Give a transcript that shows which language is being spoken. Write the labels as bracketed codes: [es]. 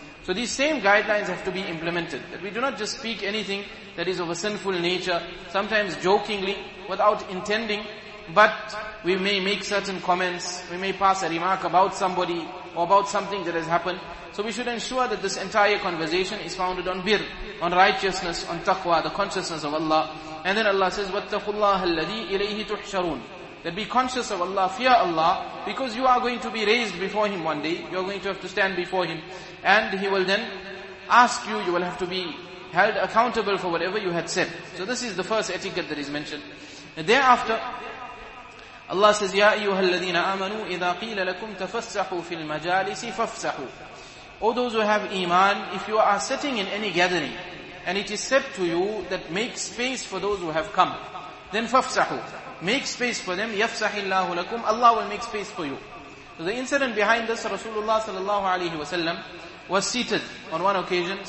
[en] So these same guidelines have to be implemented. That we do not just speak anything that is of a sinful nature, sometimes jokingly, without intending, but we may make certain comments, we may pass a remark about somebody or about something that has happened. So we should ensure that this entire conversation is founded on birr, on righteousness, on taqwa, the consciousness of Allah. And then Allah says, [ar] وَاتَّقُوا اللَّهَ الَّذِي إِلَيْهِ تُحْشَرُونَ. [en] That be conscious of Allah, fear Allah, because you are going to be raised before Him one day. You are going to have to stand before Him. And He will then ask you, you will have to be held accountable for whatever you had said. So this is the first etiquette that is mentioned. And thereafter, Allah says, [ar] يَا أَيُّهَا الَّذِينَ آمَنُوا إِذَا قِيلَ لَكُمْ تَفَسَّحُوا فِي الْمَجَالِسِ فَفْسَحُوا. [en] O those who have iman, if you are sitting in any gathering, and it is said to you that make space for those who have come, then [ar] فَفْسَحُوا. [en] Make space for them. [ar] يَفْسَحِ اللَّهُ لَكُمْ. [en] Allah will make space for you. So the incident behind this, Rasulullah sallallahu alayhi wa sallam was seated on one occasion.